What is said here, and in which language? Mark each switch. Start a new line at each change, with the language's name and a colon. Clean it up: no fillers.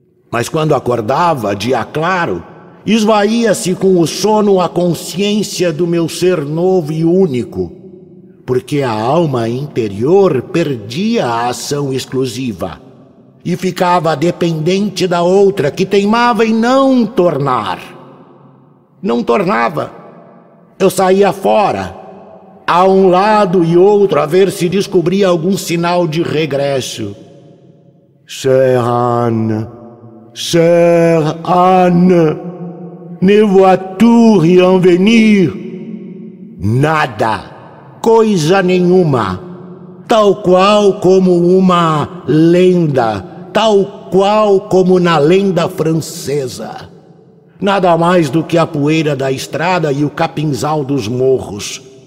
Portuguese: Mas quando acordava, dia claro, esvaía-se com o sono a consciência do meu ser novo e único, porque a alma interior perdia a ação exclusiva e ficava dependente da outra, que teimava em não tornar. Não tornava. Eu saía fora, a um lado e outro, a ver se descobria algum sinal de regresso.
French: Cher Anne, Cher Anne, ne vois-tu rien venir?
Portuguese: Nada, coisa nenhuma, tal qual como uma lenda, tal qual como na lenda francesa. Nada mais do que a poeira da estrada e o capinzal dos morros.